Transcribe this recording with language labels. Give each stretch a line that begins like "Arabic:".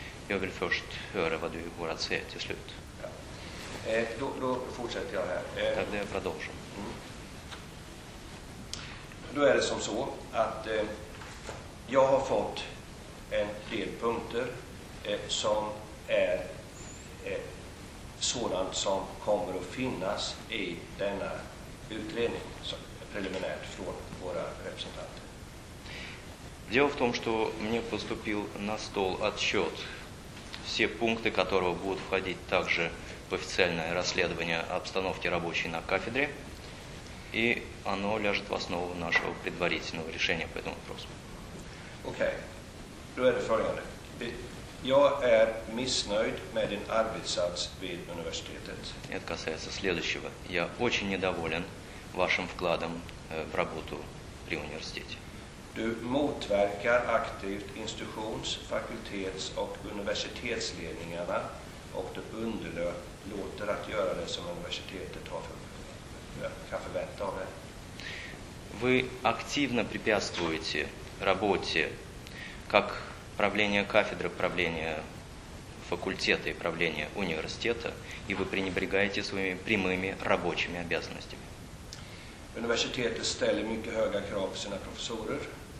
English: Я will first hear what you would say at this point.
Russian: Тогда я продолжу.
Swedish: Då är det som så att jag har fått en del punkter som är sådant som kommer att finnas i denna utredning som preliminärt från våra representanter.
Russian: Дело в том, что мне поступил на стол отчет, все пункты которого будут входить также в официальное расследование обстановки рабочей на кафедре, и оно ляжет в основу нашего предварительного решения по этому вопросу.
Swedish: Okay. Då är det följande. Jag är missnöjd med din arbetsats vid universitetet. Det
Russian: касается следующего.
Swedish: Jag är
Russian: очень недоволен вашим вкладом в работу при университете.
Swedish: Du motverkar aktivt institutions-, fakultets- och universitetsledningarna och du underlåter att göra det som universitetet har för, kan förvänta av dig.
Russian: Вы активно препятствуете работе как правления кафедры, правления факультета и правления университета, и вы пренебрегаете своими прямыми рабочими обязанностями. Университет ставит очень высокие требования к своим профессорам.